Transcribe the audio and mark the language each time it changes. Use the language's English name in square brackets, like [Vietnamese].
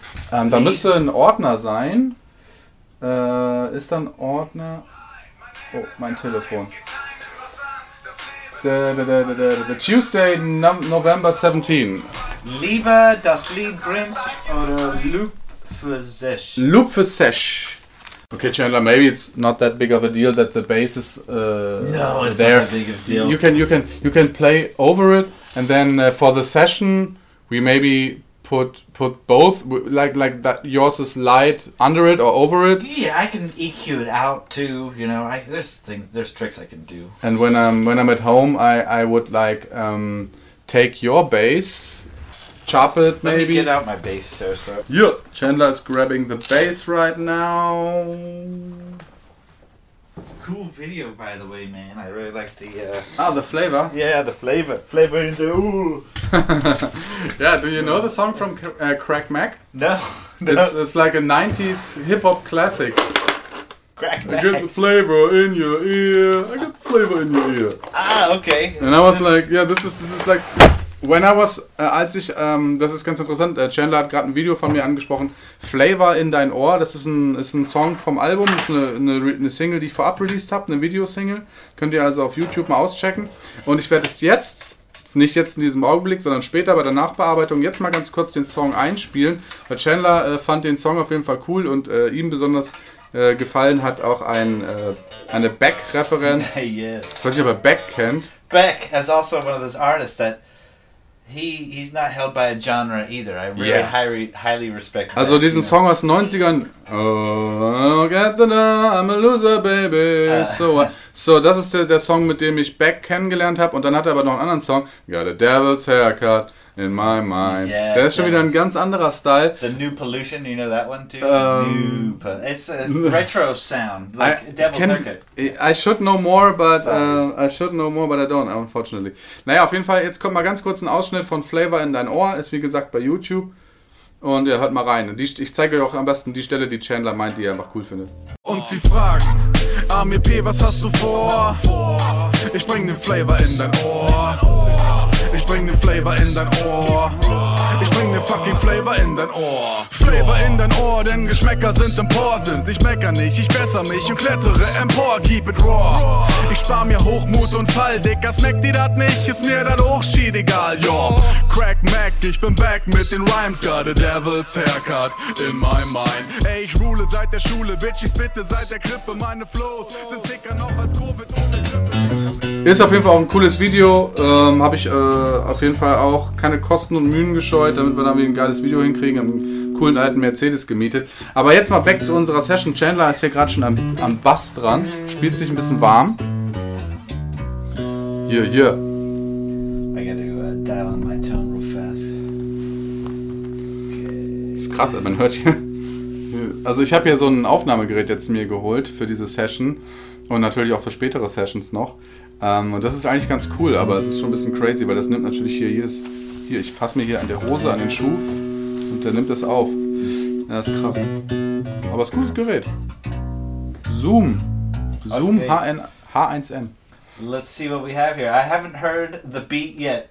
[German] Da müsste ein Ordner sein. Ist da ein Ordner? Oh, mein Telefon. [English] The Tuesday, November 17. [German] Lieber das Lied brennt oder Loop für Sesh? Loop für Sesh. [English] Okay, Chandler, maybe it's not that big of a deal that the bass is there. Not that big of a deal. You can play over it, and then for the session, we maybe put both, like that yours is light under it or over it. Yeah, I can EQ it out too, you know, there's tricks I can do. And when I'm at home, I would like take your bass, chop it maybe. Let me get out my bass, sir. Yeah, Chandler is grabbing the bass right now. Cool video, by the way, man. I really like the... The flavor. Yeah, the flavor. Flavor in the... Yeah, do you know the song from Crack Mac? No. It's like a 90s hip-hop classic. Crack Mac. I get the flavor in your ear. I get the flavor in your ear. Ah, okay. And I was like, yeah, this is like... When I was, [German] als ich, das ist ganz interessant, Chandler hat gerade ein Video von mir angesprochen, Flavor in dein Ohr, das ist ein Song vom Album, das ist eine Single, die ich vorab released habe, eine Videosingle, könnt ihr also auf YouTube mal auschecken und ich werde es jetzt, nicht jetzt in diesem Augenblick, sondern später bei der Nachbearbeitung, jetzt mal ganz kurz den Song einspielen, weil Chandler fand den Song auf jeden Fall cool und ihm besonders gefallen hat auch eine Beck-Referenz, [English] yeah. [German] Was ich aber Beck kennt. [English] Beck is also one of those artists that he's not held by a genre either. I really yeah. highly respect also that, [German] diesen Song aus 90ern. [English] Oh, get the love, I'm a loser, baby. [German] So, das ist der Song, mit dem ich Beck kennengelernt habe. Und dann hat er aber noch einen anderen Song. [English] Got a devil's haircut in my mind. Yeah, [German] der ist schon wieder ein ganz anderer Style. [English] The New Pollution, you know that one too? It's a retro sound. Like devil's haircut. I should know more, but I don't, unfortunately. [German] Naja, auf jeden Fall, jetzt kommt mal ganz kurz ein Ausschnitt von Flavor in dein Ohr. Ist wie gesagt bei YouTube. Und ihr hört mal rein. Ich zeige euch auch am besten die Stelle, die Chandler meint, die er einfach cool findet. Und sie fragen, AMP, was hast du vor? Ich bring den Flavor in dein Ohr. Ich bring den Flavor in dein Ohr. Ich bring den fucking Flavor in dein Ohr. Flavor in dein Ohr, denn Geschmäcker sind important. Ich mecker nicht, ich besser mich und klettere empor. [English] Keep it raw. [German] Ich spar mir Hochmut und Fall, Dicker. Smeckt dir das nicht? Ist mir das Hochschied egal, yo. Crack Mac, ich bin back mit den Rhymes. [English] Got a devil's haircut in my mind. [German] Ey, ich rule seit der Schule, bitch. Ich spitte seit der Krippe. Meine Flows sind sicker noch als Covid ohne Lippe. Ist auf jeden Fall auch ein cooles Video, habe ich auf jeden Fall auch keine Kosten und Mühen gescheut, damit wir dann ein geiles Video hinkriegen, einen coolen alten Mercedes gemietet. Aber jetzt mal back zu unserer Session, Chandler ist hier gerade schon am Bass dran, spielt sich ein bisschen warm. Hier. [English] I gotta dial on my tone real fast. [German] Okay. Ist krass, man hört hier. Also ich habe hier so ein Aufnahmegerät jetzt mir geholt für diese Session und natürlich auch für spätere Sessions noch. Und das ist eigentlich ganz cool, aber es ist schon ein bisschen crazy, weil das nimmt natürlich hier, ich fasse mir hier an der Hose, an den Schuh und der nimmt das auf. Ja, das ist krass. Aber es ist ein gutes Gerät. Zoom okay. H1N. [English] Let's see what we have here. I haven't heard the beat yet.